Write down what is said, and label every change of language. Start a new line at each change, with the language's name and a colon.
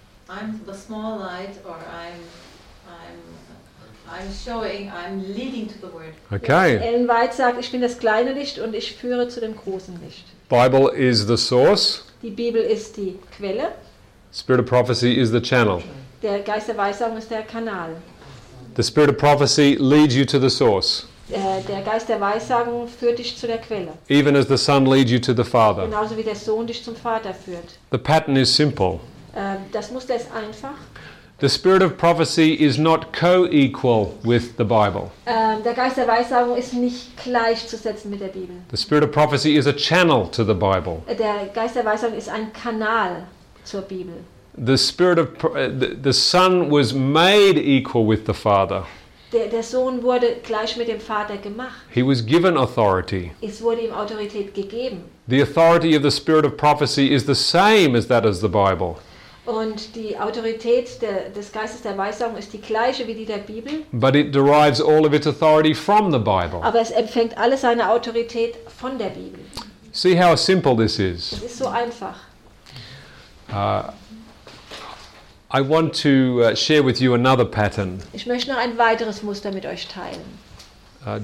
English: I'm the small light, or I'm leading to the word. Okay.
German: Ellen White sagt, ich bin das kleine Licht und ich führe zu dem großen Licht.
English: Bible is the source.
German: Die Bibel ist die Quelle.
English: Spirit of prophecy is the channel.
German: Der Geist der Weisung ist der Kanal.
English: The spirit of prophecy leads you to the source.
German: Der Geist der Weissagung führt dich zu der Quelle.
English: Even as the Son leads you to the Father.
German: Genauso wie der Sohn dich zum Vater führt.
English: The pattern is simple.
German: Das Muster ist einfach.
English: The spirit of prophecy is not co-equal with the Bible.
German: Der Geist der Weissagung ist nicht gleichzusetzen mit der Bibel.
English: The spirit of prophecy is a channel to the Bible.
German: Der Geist der Weissagung ist ein Kanal zur Bibel.
English: The spirit of the Son was made equal with the Father.
German: Der Sohn wurde gleich mit dem Vater gemacht.
English: He was given authority.
German: Es wurde ihm Autorität gegeben.
English: The authority of the spirit of prophecy is the same as that of the Bible.
German: Und die Autorität des Geistes der Weissagung ist die gleiche wie die der Bibel.
English: But it derives all of its authority from the Bible.
German: Aber es empfängt alle seine Autorität von der Bibel.
English: See how simple this is.
German: Es ist so einfach.
English: I want to share with you another pattern.
German: Ich möchte noch ein weiteres Muster mit euch teilen.